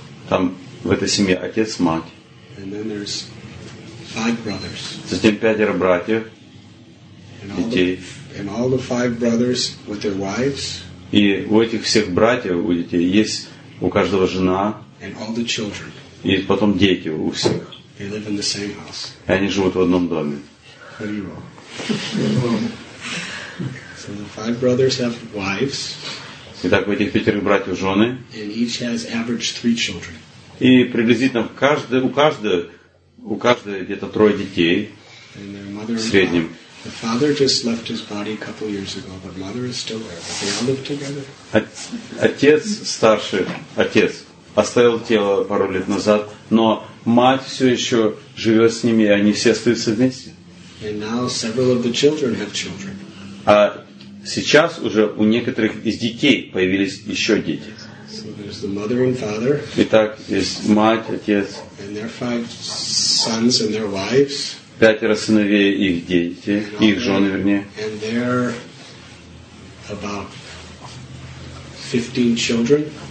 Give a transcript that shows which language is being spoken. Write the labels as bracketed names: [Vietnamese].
[Russian] Там в этой семье отец, мать. [English] And then there's five brothers. [Russian] Затем пятеро братьев, детей. [English] And all the five brothers with their wives. [Russian] И у этих всех братьев, у детей, есть у каждого жена. [English] And all the children. [Russian] И потом дети у всех. [English] They live in the same house. [Russian] И они живут в одном доме. [English] So the five brothers have wives. [Russian] Итак, у этих пятерых братьев жены. [English] And each has average three children. [Russian] И приблизительно у каждой где-то трое детей в среднем. [English] The father just left his body a couple years ago, but mother is still there. But they all live together. [Russian] Отец старший, отец оставил тело пару лет назад, но мать все еще живет с ними, и они все остаются вместе. [English] And now several of the children have children. [Russian] А сейчас уже у некоторых из детей появились еще дети. [English] So there's the mother and father. [Russian] Итак, есть мать, отец. [English] And their five sons and their wives. [Russian] Пятеро сыновей и их дети, их жены, вернее. [English] And they're about 15 children.